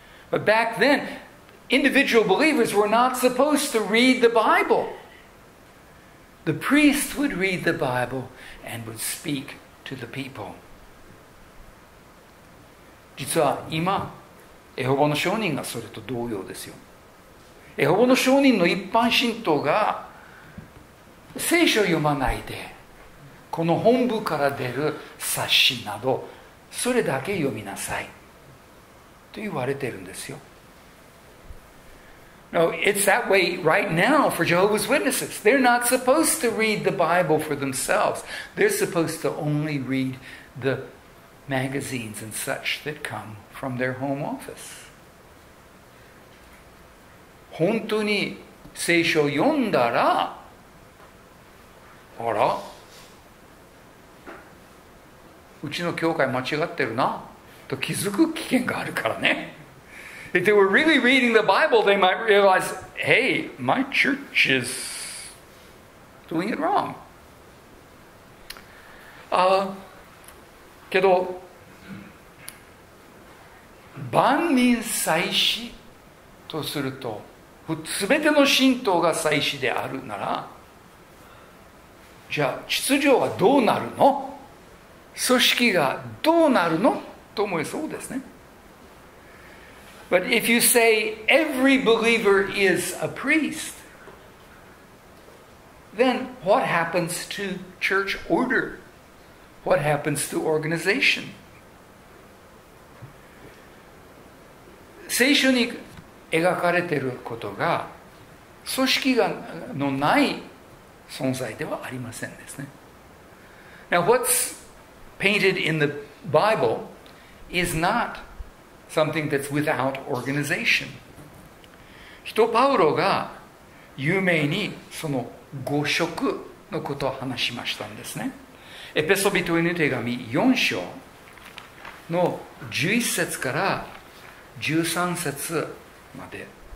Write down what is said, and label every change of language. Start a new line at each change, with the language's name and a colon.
English: But back then, individual believers were not supposed to read the Bible. The priest would read the Bible and would speak to the people.
Japanese: 実は今、エホバの証人がそれと同様ですよ。エホバの証人の一般信徒が聖書を読まないで、この本部から出る冊子など、それだけ読みなさい。と言われてるんですよ。
English: No, it's that way right now for Jehovah's Witnesses. They're not supposed to read the Bible for themselves. They're supposed to only read the magazines and such that come from their home office.
Japanese: 本当に聖書を読んだら、あら、うちの教会間違ってるなと気づく危険があるからね。
English: If they were really reading the Bible, they might realize, hey, my church is doing it wrong.
Japanese: けど、万人祭司とすると、全ての信徒が祭司であるなら、じゃあ秩序はどうなるの？組織がどうなるの？と思えそうですね。
English: But if you say every believer is a priest, then what happens to church order? What happens to organization?
Japanese: 聖書に描かれていることが組織がのない存在ではありませんですね。
English: Now what's painted in the Bible is notsomething that's without organization.
Japanese: 人パウロが有名にその五職のことを話しましたんですね。エペソ人への手紙4章の11節から13節まで。